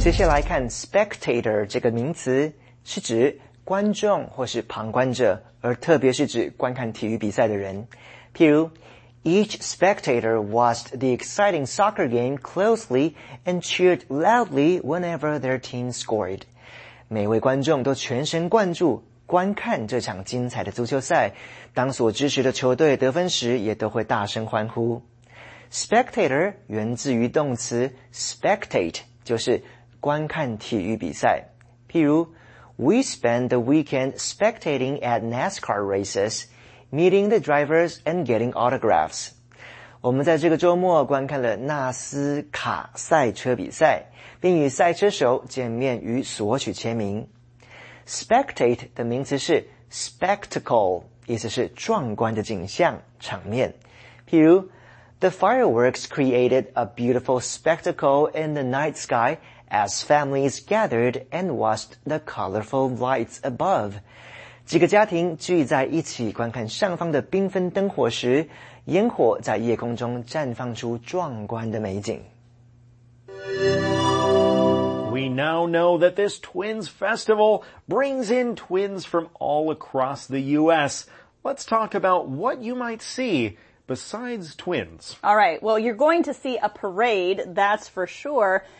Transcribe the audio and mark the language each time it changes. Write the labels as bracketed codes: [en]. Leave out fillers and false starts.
[zh] Spectator 这个名词是指观众或是旁观者，而特别是指观看体育比赛的人。譬如 [en] ,Each spectator watched the exciting soccer game closely and cheered loudly whenever their team scored. [zh] 每位观众都全神贯注观看这场精彩的足球赛，当所支持的球队得分时也都会大声欢呼。 [en] Spectator [zh] 源自于动词 spectate, 就是观看体育比赛，譬如 [en] ,We spend the weekend spectating at NASCAR races, meeting the drivers and getting autographs. [zh] 我们在这个周末观看了纳斯卡赛车比赛，并与赛车手见面与索取签名。 Spectate 的名词是 spectacle, 意思是壮观的景象、场面。譬如 [en] ,The fireworks created a beautiful spectacle in the night sky,as families gathered and watched the colorful lights above. [zh] 几个家庭聚在一起观看上方的缤纷灯火时，烟火在夜空中绽放出壮观的美景。 [en] We now know that this Twins Festival brings in twins from all across the U.S. Let's talk about what you might see besides twins. All right, well, you're going to see a parade, that's for sure.